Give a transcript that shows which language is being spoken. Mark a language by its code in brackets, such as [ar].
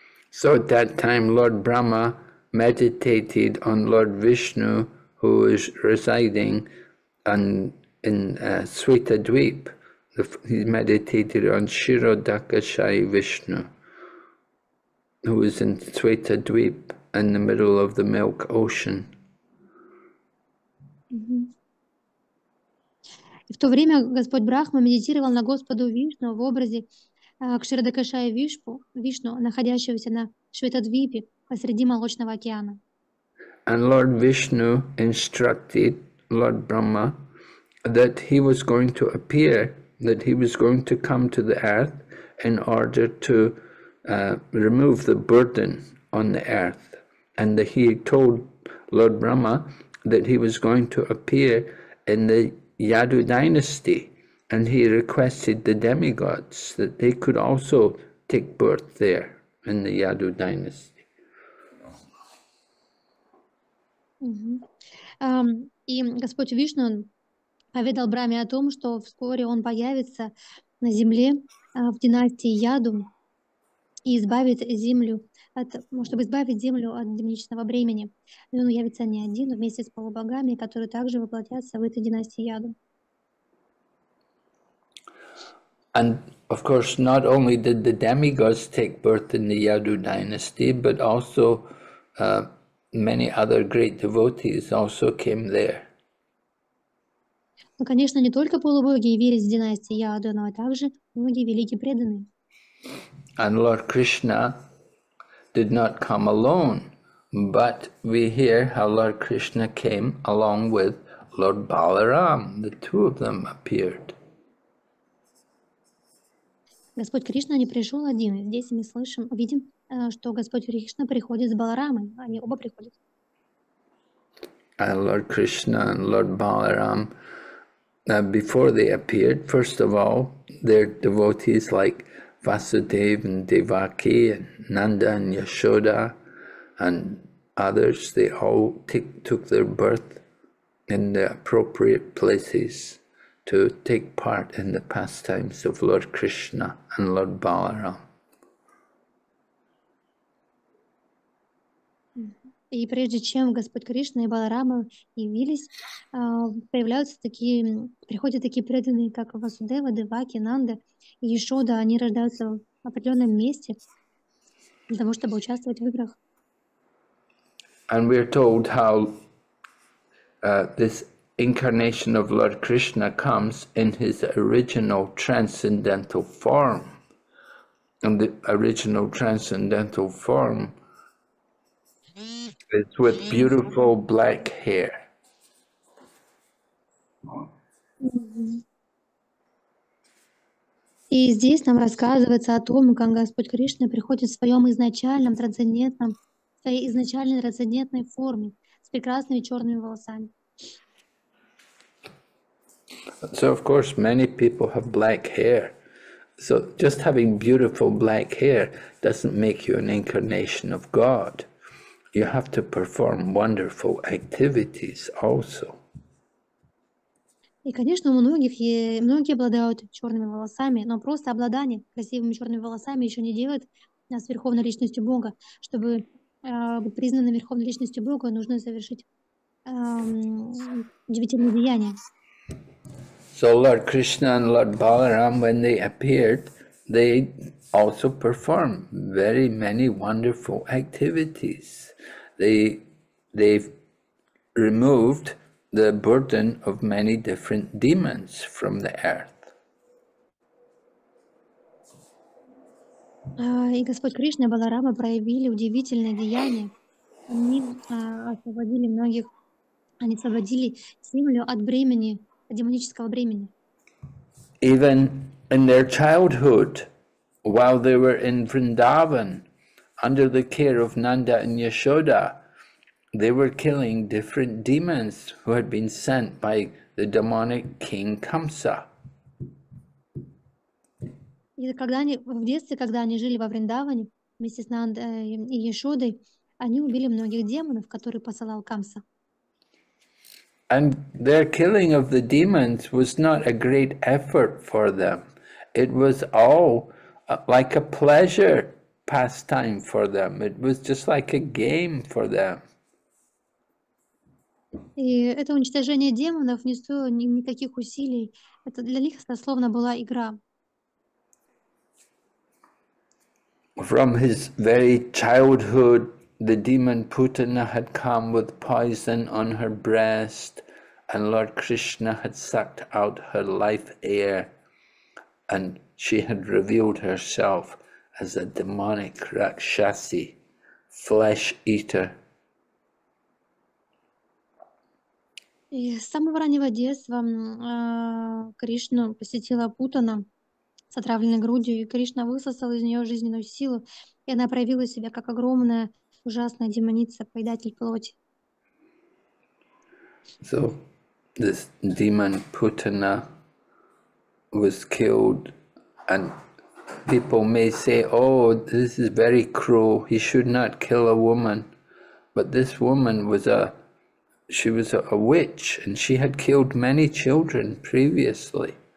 [en] So at that time Lord Brahma meditated on Lord Vishnu, who is residing in Svetadvip. He meditated on Shirodakashayi Vishnu, who is in Svetadvip in the middle of the Milk Ocean. [ru] И в то время Господь Брахма медитировал на Господу Вишну в образе Кширадакашая Вишпу, Вишну, находящегося на Шветадвипе посреди Молочного океана. [en] And Lord Vishnu instructed Lord Brahma that he was going to appear, that he was going to come to the earth in order to remove the burden on the earth. And that he told Lord Brahma that he was going to appear in the Yadu dynasty, and he requested the demigods that they could also take birth there in the Yadu dynasty. [ru] И Господь Вишну поведал Браме о том, что вскоре он появится на земле в династии Яду и избавит землю от, чтобы избавить землю от демонического бремени. И он явится не один, но вместе с полубогами, которые также воплотятся в этой династии Яду. [en] And of course, not only did the demigods take birth in the Yadu dynasty, but also many other great devotees also came there. [ru] Ну, конечно, не только полубоги явились в династии Яду, но также многие великие преданные. [en] And Lord Krishna did not come alone, but we hear how Lord Krishna came along with Lord Balaram. The two of them appeared. [ru] Господь Кришна не пришел один. Здесь мы слышим, видим, что Господь Кришна приходит с Баларамой. Они оба приходят. [en] And Lord Krishna and Lord Balaram, before they appeared, first of all, their devotees like Vasudev and Devaki and Nanda and Yashoda and others, they all took their birth in the appropriate places to take part in the pastimes of Lord Krishna and Lord Balaram. [ru] И прежде чем Господь Кришна и Баларама явились, появляются такие, приходят такие преданные, как Васудева, Деваки, Нанда и Ешода. Они рождаются в определенном месте для того, чтобы участвовать в играх. [en] And we are told how this incarnation of Lord Krishna comes in his original transcendental form. And the original transcendental form It's with beautiful black hair. [ru] И здесь нам рассказывается о том, как Господь Кришна приходит в своем изначальном трансцендентном, в своей изначальной трансцендентной форме с прекрасными черными волосами. [en] So of course many people have black hair. So just having beautiful black hair doesn't make you an incarnation of God. You have to perform wonderful activities also. [ru] И, конечно, у многих, многие обладают черными волосами, но просто обладание красивыми черными волосами еще не делает нас Верховной Личностью Бога. Чтобы быть признанной Верховной Личностью Бога, нужно совершить удивительные деяния. [en] So Lord Krishna and Lord Balaram, when they appeared, they also performed very many wonderful activities. They removed the burden of many different demons from the earth. [ru] И Господь Кришна и Баларама проявили удивительное деяние. Они освободили многих, они освободили землю от бремени, от демонического бремени. [en] Even in their childhood, while they were in Vrindavan, under the care of Nanda and Yashoda, they were killing different demons who had been sent by the demonic king Kamsa. [ru] И когда они в детстве, когда они жили во Вриндаване вместе с Нандой и Яшодой, они убили многих демонов, которые посылал Камса. [en] And their killing of the demons was not a great effort for them. It was all like a pleasure pastime for them. It was just like a game for them. [ru] И это уничтожение демонов не стоило никаких усилий. Это для них словно была игра. [en] From his very childhood, the demon Putana had come with poison on her breast, and Lord Krishna had sucked out her life air, and she had revealed herself as a demonic Rakshasi, flesh eater. [ru] И с самого раннего детства Кришну посетила Путана с отравленной грудью, и Кришна высосал из нее жизненную силу, и она проявила себя как огромная, ужасная демоница, поедатель плоти. [en] So, this demon Putana was killed, and people may say, oh, this is very cruel, he should not kill a woman. But this woman was a She was a witch, and she had killed many children previously.